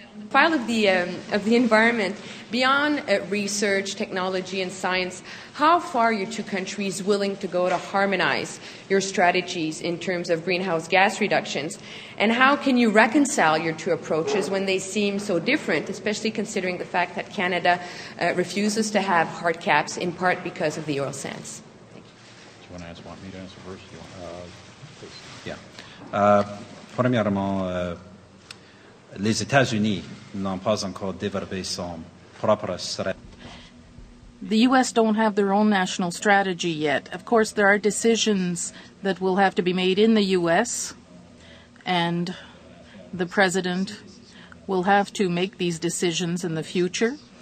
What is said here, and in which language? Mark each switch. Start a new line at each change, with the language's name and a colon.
English: File of the environment, beyond research, technology, and science, how far are your two countries willing to go to harmonize your strategies in terms of greenhouse gas reductions? And how can you reconcile your two approaches when they seem so different, especially considering the fact that Canada refuses to have hard caps, in part because of the oil sands? Thank you. Do you want to ask, want me to answer first? Do you want, please. Yeah.
French: Premièrement, les États-Unis n'ont pas encore développé son propre stratégie.
English: The U.S. don't have their own national strategy yet. Of course, there are decisions that will have to be made in the U.S., and the president will have to make these decisions in the future.